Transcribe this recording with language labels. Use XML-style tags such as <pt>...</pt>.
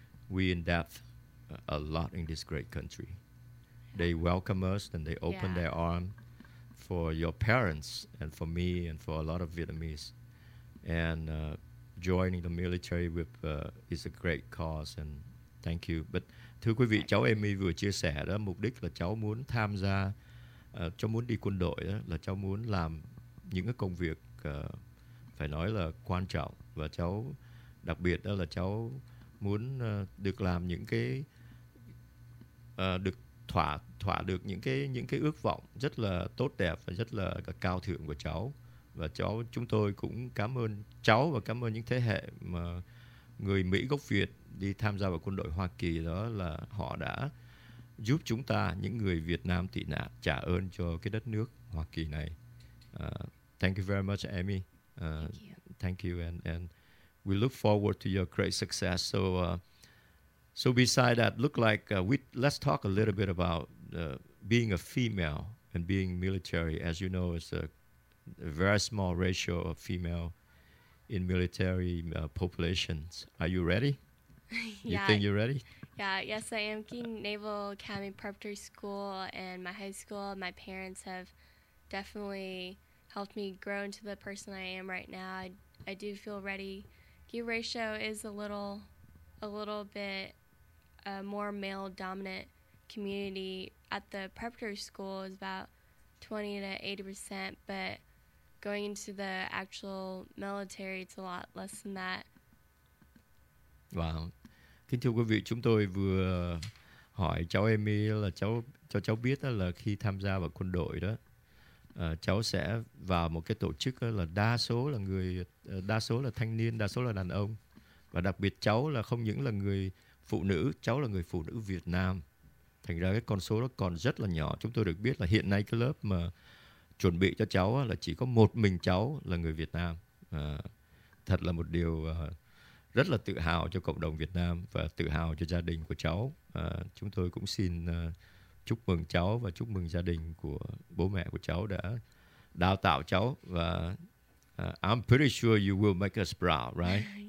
<en>We in depth a lot in this great country. They welcome us and they open their arm for your parents and for me and for a lot of Vietnamese. And joining the military is a great cause, and thank you.</en> <vi>But thưa quý vị, cháu Amy vừa chia sẻ đó, mục đích là cháu muốn tham gia, cháu muốn đi quân đội đó, là cháu muốn làm những cái công việc phải nói là quan trọng. Và cháu đặc biệt đó là cháu muốn được làm những cái được thỏa được những cái ước vọng rất là tốt đẹp và rất là cao thượng của cháu. Và cháu, chúng tôi cũng cảm ơn cháu và cảm ơn những thế hệ mà người Mỹ gốc Việt đi tham gia vào quân đội Hoa Kỳ, đó là họ đã giúp chúng ta, những người Việt Nam tị nạn, trả ơn cho cái đất nước Hoa Kỳ này.</vi> <en>Thank you very much, Amy. Thank you and we look forward to your great success. So beside that, look like let's talk a little bit about being a female and being military. As you know, it's a very small ratio of female in military populations. Are you ready? Yeah. You think you're ready? Yeah. Yes, I am. King Naval Academy Preparatory School and my high school, my parents have definitely helped me grow into the person I am right now. I do feel ready. Gender ratio is a little bit. A more male-dominant community at the preparatory school is about 20-80%, but going into the actual military, it's a lot less than that. Wow.</en> <vi>Kính thưa quý vị, chúng tôi vừa hỏi cháu Amy là cho cháu biết là khi tham gia vào quân đội đó, cháu sẽ vào một cái tổ chức là đa số là thanh niên, đa số là đàn ông, và đặc biệt cháu là không những là người phụ nữ, cháu là người phụ nữ Việt Nam. Thành ra cái con số đó còn rất là nhỏ. Chúng tôi được biết là hiện nay cái lớp mà chuẩn bị cho cháu là chỉ có một mình cháu là người Việt Nam. Thật là một điều rất là tự hào cho cộng đồng Việt Nam và tự hào cho gia đình của cháu. Chúng tôi cũng xin chúc mừng cháu và chúc mừng gia đình của bố mẹ của cháu đã đào tạo cháu.</vi> <en>Và I'm pretty sure you will make us proud, right?</en>